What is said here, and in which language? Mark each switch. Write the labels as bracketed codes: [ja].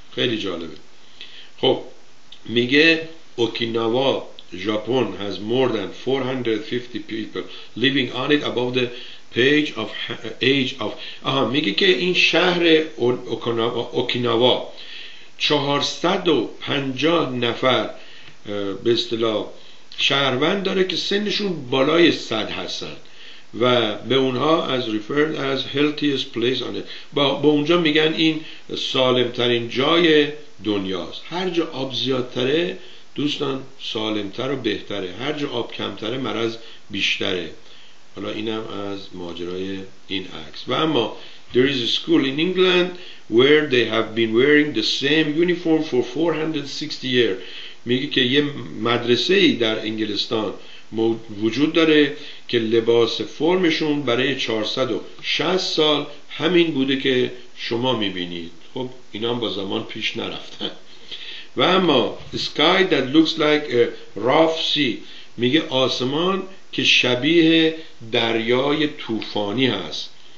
[fa] خیلی جالبه. خب میگه اوکیناوا ژاپن [en] has more than 450 people living on it above the page of age of [fa] میگه که این شهر اوکیناوا 450 نفر به اصطلاح شهروند داره که سنشون بالای 100 هستن و به اونها از [en] referred as healthiest place on it. [fa] با اونجا میگن این سالمترین جای دنیاست. هر جا آب زیادتره دوستان سالمتر و بهتره، هر جا آب کمتره مرض بیشتره. حالا اینم از ماجرای این عکس. و اما [en] there is a school in England where they have been wearing the same uniform for 460 years. [fa] میگه که یه مدرسه ای در انگلستان وجود داره که لباس فرمشون برای 460 سال همین بوده که شما میبینید. خب اینا هم با زمان پیش نرفتن. و اما [en] sky that looks like a rough sea، [fa] میگه آسمان که شبیه دریای طوفانی هست.